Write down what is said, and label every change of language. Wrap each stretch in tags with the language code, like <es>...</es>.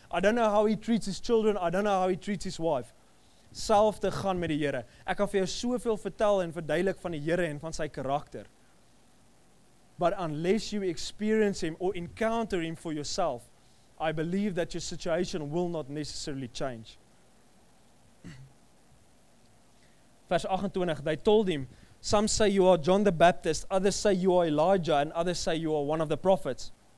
<en>I don't know how he treats his children. I don't know how he treats his wife.</en> <af>Self te gaan met die Here. Ek kan vir jou soveel vertel en verduidelik van die Here en van sy karakter.</af> <en>But unless you experience him or encounter him for yourself, I believe that your situation will not necessarily change. Vers 28, they told him, some say you are John the Baptist, others say you are Elijah, and others say you are one of the prophets.</en>